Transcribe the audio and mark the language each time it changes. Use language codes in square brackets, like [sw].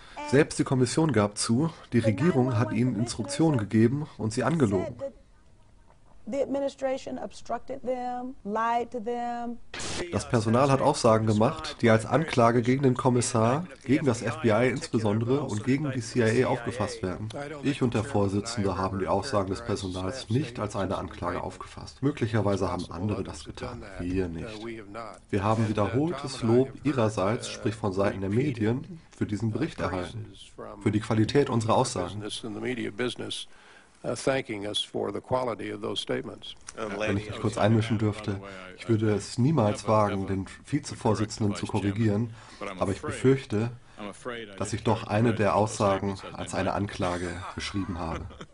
[de] Selbst die Kommission gab zu, die Regierung hat ihnen Instruktionen gegeben und sie angelogen. [en] The administration obstructed them, lied to them. [de] Das Personal hat Aussagen gemacht, die als Anklage gegen den Kommissar, gegen das FBI insbesondere und gegen die CIA aufgefasst werden. Ich und der Vorsitzende haben die Aussagen des Personals nicht als eine Anklage aufgefasst. Möglicherweise haben andere das getan, wir nicht. Wir haben wiederholtes Lob ihrerseits, sprich von Seiten der Medien, für diesen Bericht erhalten, für die Qualität unserer Aussagen. [en] Thanking us for the quality of those statements. [de] Wenn ich mich kurz einmischen dürfte, ich würde es niemals wagen, den Vizevorsitzenden zu korrigieren, aber ich befürchte, dass ich doch eine der Aussagen als eine Anklage beschrieben habe.